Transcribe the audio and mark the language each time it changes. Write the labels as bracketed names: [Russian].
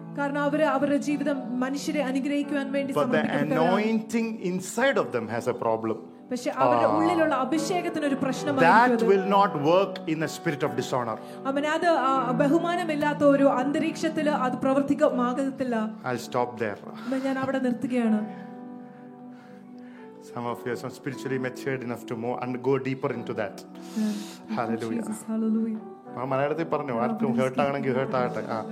[Malayalam] കാരണം അവർ അവരുടെ ജീവിതം മനുഷ്യരെ അനുഗ്രഹിക്കാൻ വേണ്ടി സമർപ്പിക്കുകയാണ്. [English] But the anointing inside of them has a problem. [Malayalam] പക്ഷേ അവരുടെ ഉള്ളിലുള്ള അഭിഷേകത്തിന് ഒരു പ്രശ്നം വന്നിട്ടുണ്ട്. [English] That will not work in the spirit of dishonor. [Malayalam] അമനാദ ബഹുമാനമില്ലാത്ത ഒരു അന്തരീക്ഷത്തിൽ അത് പ്രവർത്തിക്കുമാകത്തില്ല. [English] I'll stop there. [Malayalam] ഞാൻ അവിടെ നിർത്തുകയാണ്. [English] Some of you are spiritually matured enough to move and go deeper into that. Yeah. Hallelujah. Jesus, hallelujah. [Malayalam] മലയാളത്തിൽ പറഞ്ഞു, ആർക്കും ഹേർട്ട് ആണെങ്കിൽ ഹേർട്ട് ആകട്ടെ.